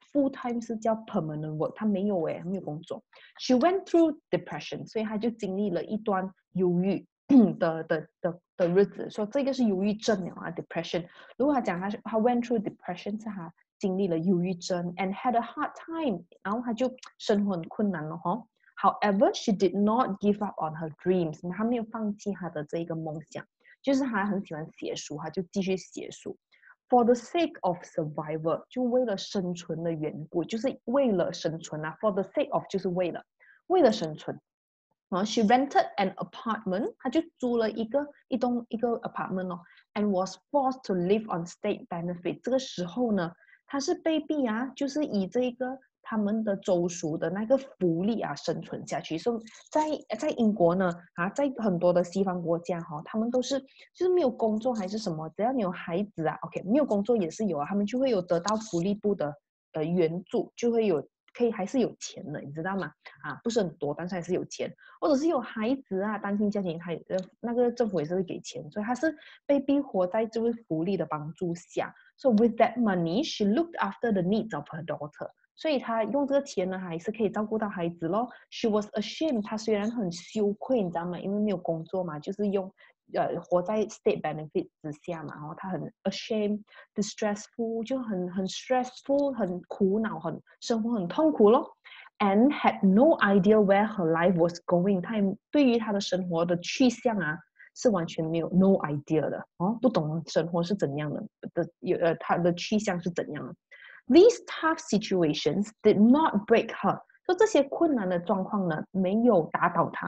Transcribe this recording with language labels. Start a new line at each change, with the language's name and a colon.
Chinese: full time 是叫
English: permanent work，
Chinese: 他没有哎，没有工作。
English: She went through depression，
Chinese: 所以他就经历了一段忧郁的日子，说这个是忧郁症啊，depression。如果他讲他
English: went through depression，
Chinese: 是他经历了忧郁症，
English: and had a hard time，
Chinese: 然后他就生活很困难了，哈。
English: However, she did not give up on her dreams。
Chinese: 她没有放弃她的这一个梦想，就是她很喜欢写书，她就继续写书。
English: For the sake of survival，
Chinese: 就为了生存的缘故，就是为了生存啊。
English: For the sake of，
Chinese: 就是为了生存。然后，
English: she rented an apartment，
Chinese: 她就租了一个 apartment 哦，
English: and was forced to live on state benefit。
Chinese: 这个时候呢，她是被逼啊，就是以这个。他们的州属的那个福利啊生存下去。所以在英国呢，啊，在很多的西方国家哈，他们都是就是没有工作还是什么，只要你有孩子啊，OK，没有工作也是有啊，他们就会有得到福利部的援助，就会有。可以还是有钱的，你知道吗？啊，不是很多，但是还是有钱。或者是有孩子啊，单亲家庭，还那个政府也是会给钱，所以他是被逼活在这位福利的帮助下。
English: So with that money, she looked after the needs of her daughter。
Chinese: 所以她用这个钱呢，还是可以照顾到孩子咯。
English: She was ashamed。
Chinese: 她虽然很羞愧，你知道吗？因为没有工作嘛，就是用活在
English: state benefit
Chinese: 之下嘛。然后她很
English: ashamed, distressful，
Chinese: 就很
English: stressful，
Chinese: 很苦恼，很生活很痛苦咯。
English: And had no idea where her life was going。
Chinese: 她对于她的生活的去向啊，是完全没有
English: no idea
Chinese: 的哦，不懂生活是怎样的，她的去向是怎样的。
English: These tough situations did not break her。
Chinese: 说这些困难的状况呢，没有打倒她。